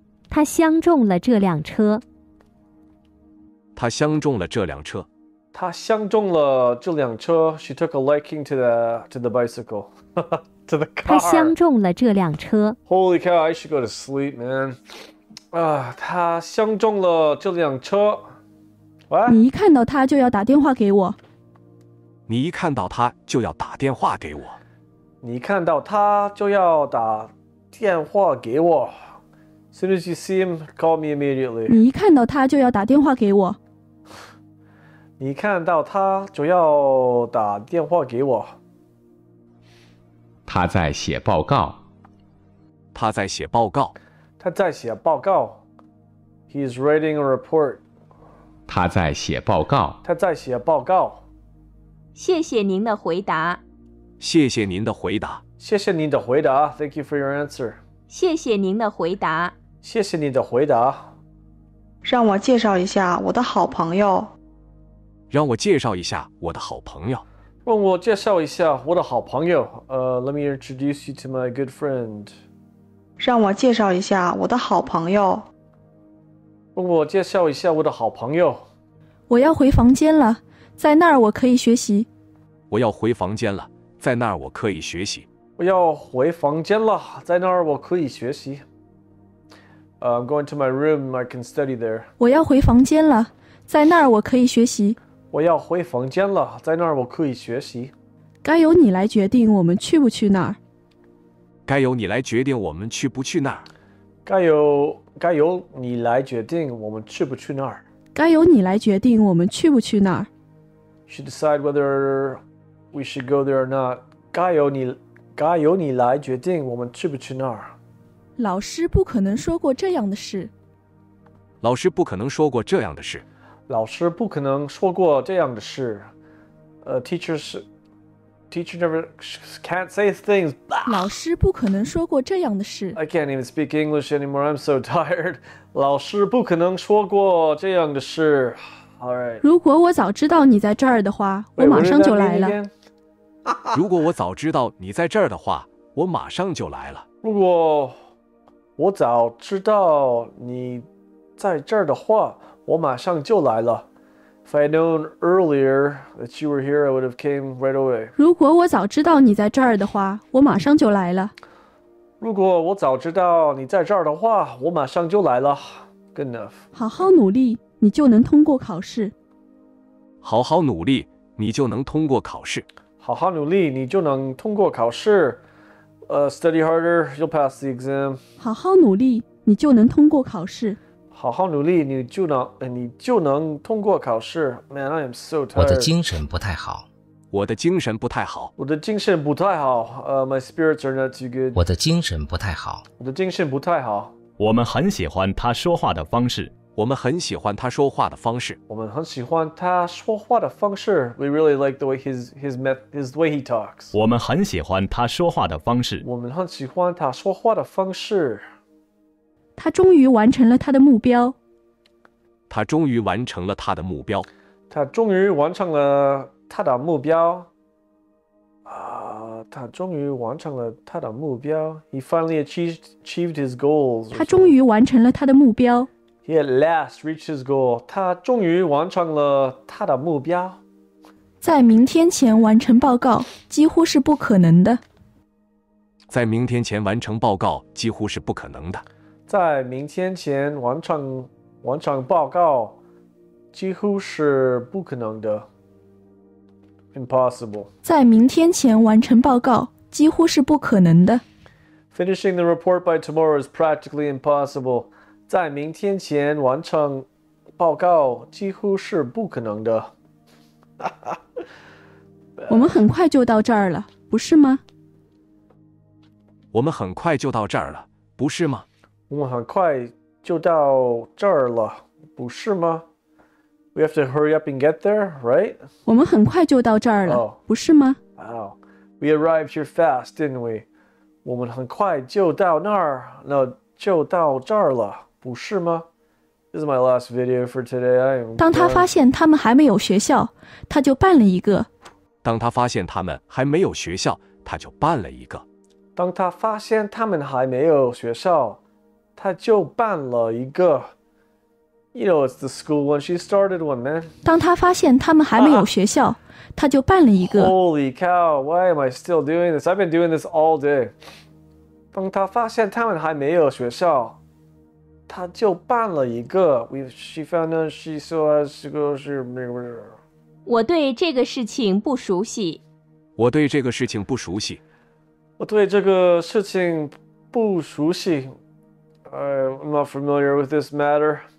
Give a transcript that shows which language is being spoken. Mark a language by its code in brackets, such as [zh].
[zh] 他相中了这辆车。他相中了这辆车。他相中了这辆车。 [en] She took a liking to the bicycle. to the car. [zh] 他相中了这辆车。 [en] Holy cow, I should go to sleep, man. [zh] 他相中了这辆车。 [en] What? [zh] 你一看到他就要打电话给我。你一看到他就要打电话给我。你看到他就要打电话给我。 [en] As soon as you see him, call me immediately. [zh] 你一看到他就要打电话给我。你看到他就要打电话给我。他在写报告。他在写报告。他在写报告。 [en] He's writing a report. [zh] 他在写报告。他在写报告。谢谢您的回答。谢谢您的回答。谢谢您的回答。 [en] Thank you for your answer. [zh] 谢谢您的回答。谢谢你的回答。让我介绍一下我的好朋友。让我介绍一下我的好朋友。让我介绍一下我的好朋友。 [en] Let me introduce you to my good friend. [zh] 让我介绍一下我的好朋友。让我介绍一下我的好朋友。我要回房间了，在那儿我可以学习。我要回房间了，在那儿我可以学习。我要回房间了，在那儿我可以学习。 [en] I'm going to my room. I can study there. [zh] 我要回房间了，在那儿我可以学习。我要回房间了，在那儿我可以学习。该由你来决定我们去不去那儿。该由你来决定我们去不去那儿。该由你来决定我们去不去那儿。该由你来决定我们去不去那儿。 [en] You should decide whether we should go there or not. [zh] 该由你来决定我们去不去那儿。老师不可能说过这样的事。老师不可能说过这样的事。老师不可能说过这样的事。 [en] Teachers, teacher never can't say things. [zh] 老师不可能说过这样的事。 [en] I can't even speak English anymore. I'm so tired. [zh] 老师不可能说过这样的事。 [en] All right. [zh] 如果我早知道你在这儿的话， [en] Wait, [zh] 我马上就来了。如果我早知道你在这儿的话，我马上就来了。如果我早知道你在这儿的话，我马上就来了。 [en] If I had known earlier that you were here, I would have came right away. [zh] 如果我早知道你在这儿的话，我马上就来了。如果我早知道你在这儿的话，我马上就来了。 [en] Good enough. [zh] 好好努力，你就能通过考试。好好努力，你就能通过考试。好好努力，你就能通过考试。 [en] Study harder, you'll pass the exam. [zh] 好好努力，你就能通过考试。好好努力，你就能通过考试。 [en] Man, I am so tired. [zh] 我的精神不太好。我的精神不太好。我的精神不太好。 [en] My spirits are not too good. [zh] 我的精神不太好。我的精神不太好。我们很喜欢他说话的方式。我们很喜欢他说话的方式。我们很喜欢他说话的方式。 [en] We really like the way his way he talks. [zh] 我们很喜欢他说话的方式。我们很喜欢他说话的方式。他终于完成了他的目标。他终于完成了他的目标。他终于完成了他的目标。他终于完成了他的目标。 [en] He finally achieved his goals. [zh] 他终于完成了他的目标。 [en] He at last reached his goal. [zh] 他终于完成了他的目标。在明天前完成报告几乎是不可能的。在明天前完成报告几乎是不可能的。在明天前完成报告几乎是不可能的。 [en] Impossible. [zh] 在明天前完成报告几乎是不可能的。 [en] Finishing the report by tomorrow is practically impossible. [zh] 在明天前完成报告几乎是不可能的。我们很快就到这儿了，不是吗？我们很快就到这儿了，不是吗？我们很快就到这儿了，不是吗？ [en] We have to hurry up and get there, right? [zh] 我们很快就到这儿了、 oh. 不是吗？ [en] Wow. We arrived here fast, didn't we? [zh] 我们很快就到那儿，那就到这儿了，不是吗？ [en] This is my last video for today. I am [zh] 当他发现他们还没有学校，他就办了一个。当他发现他们还没有学校，他就办了一个。当他发现他们还没有学校，他就办了一个。 [en] You know, it's the school one. She started one, man. [zh] 当他发现他们还没有学校，他就办了一个。 [en] Holy cow, why am I still doing this? I've been doing this all day. [zh] 当他发现他们还没有学校，他就办了一个。 [en] She found out she still has school. She... [zh] 我对这个事情不熟悉。我对这个事情不熟悉。我对这个事情不熟悉。 [en] I'm not familiar with this matter.